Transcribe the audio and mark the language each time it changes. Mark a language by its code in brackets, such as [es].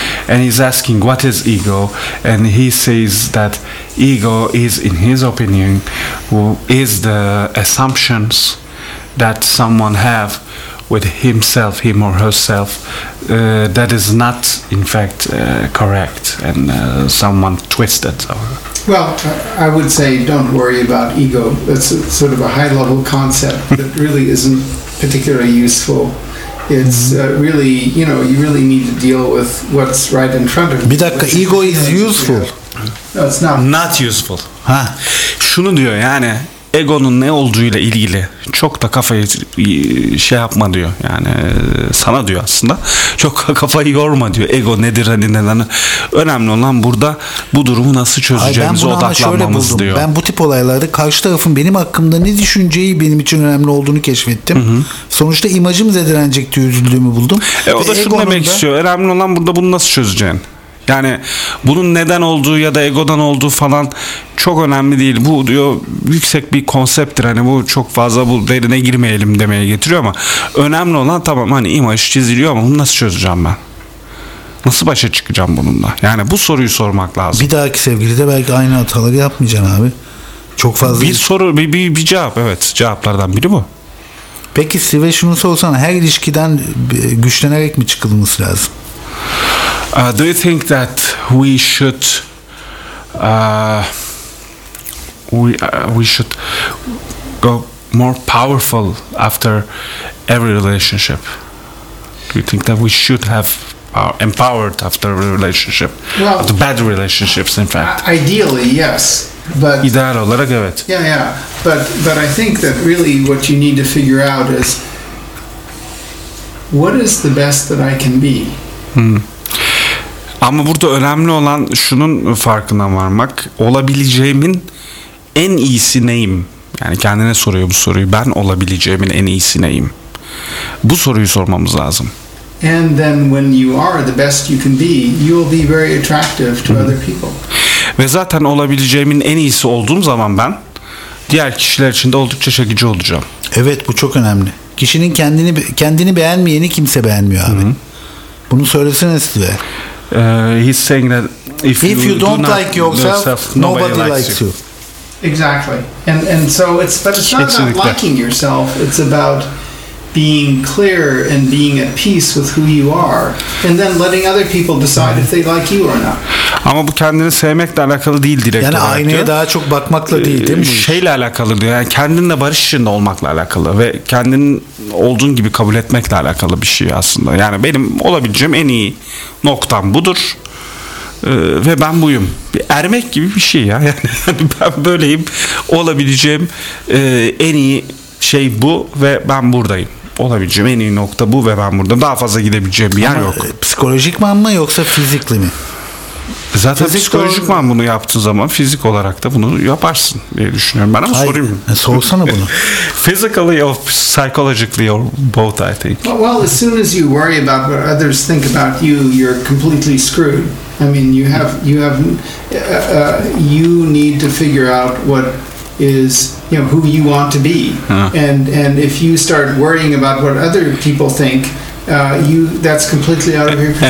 [en] And he's asking what is ego, and he says that ego is, in his opinion, is the assumptions that someone have with himself, him or herself, that is not in fact correct and someone twisted. Well, I would say don't worry about ego. That's sort of a high level concept that really isn't particularly useful. It's really, you know, you really need to deal with what's right in front of you. [tr] Bir dakika, [en] ego is useful. not useful. Ha. [tr] Şunu diyor yani, egonun ne olduğuyla ilgili çok da kafayı şey yapma diyor. Yani sana diyor aslında. Çok kafayı yorma diyor. Ego nedir hani neden? Önemli olan burada bu durumu nasıl çözeceğimize odaklanmamız diyor. Ben bu tip olaylarda karşı tarafın benim hakkımda ne düşüneceği benim için önemli olduğunu keşfettim. Hı-hı. Sonuçta imajım zedelenecekti, üzüldüğümü buldum. O da şunu demek istiyor. Önemli olan burada bunu nasıl çözeceğin. Yani bunun neden olduğu ya da egodan olduğu falan çok önemli değil. Bu diyor yüksek bir konsepttir. Hani bu çok fazla bu derine girmeyelim demeye getiriyor ama önemli olan tamam hani imaj çiziliyor ama bunu nasıl çözeceğim ben? Nasıl başa çıkacağım bununla? Yani bu soruyu sormak lazım. Bir dahaki sevgilide belki aynı hataları yapmayacaksın abi. Çok fazla bir soru, bir cevap, evet, cevaplardan biri bu. Peki Sive şunu sorsana, her ilişkiden güçlenerek mi çıkılması lazım? [en] Do you think that we should we should go more powerful after every relationship? Do you think that we should have empowered after a relationship? Well, after bad relationships, in fact. Ideally, yes, but [tr] ideal olarak evet. [en] Yeah, but I think that really what you need to figure out is what is the best that I can be. [tr] Hmm. Ama burada önemli olan şunun farkına varmak. Olabileceğimin en iyisi neyim? Yani kendine soruyor bu soruyu. Ben olabileceğimin en iyisi neyim? Bu soruyu sormamız lazım. [en] And then when you are the best you can be, you will be very attractive to other people. [tr] Ve zaten olabileceğimin en iyisi olduğum zaman ben diğer kişiler için de oldukça çekici olacağım. Evet, bu çok önemli. Kişinin kendini beğenmeyeni kimse beğenmiyor abi. Bunu söylesene size. [en] He's saying that if you don't like yourself, nobody likes you. Exactly, and so it's, but it's not about liking yourself. It's about being clear and being at peace with who you are, and then letting other people decide if they like you or not. [tr] Ama bu kendini sevmekle alakalı değil direkt. Yani aynaya daha çok bakmakla değil, değil mi? Şeyle alakalı diyor. Yani kendinle barış içinde olmakla alakalı ve kendinin olduğun gibi kabul etmekle alakalı bir şey aslında. Yani benim olabileceğim en iyi noktam budur. Ve ben buyum. Ermek gibi bir şey ya. Yani ben böyleyim. Olabileceğim en iyi şey bu ve ben buradayım. Olabileceğim en iyi nokta bu ve ben burada. Daha fazla gidebileceğim bir yer ama yok. Psikolojik mi yoksa fizikli mi? Zaten fizik psikolojik olur. Bunu yaptığın zaman fizik olarak da bunu yaparsın diye düşünüyorum ben ama hayır, sorayım. Sorsana bunu. [en] Physically or psychologically or both, I think. Well, as soon as you worry about what others think about you, you're completely screwed. I mean, you need to figure out what is, you know, who you want to be. Huh. And if you start worrying about what other people think, that's completely out of your control.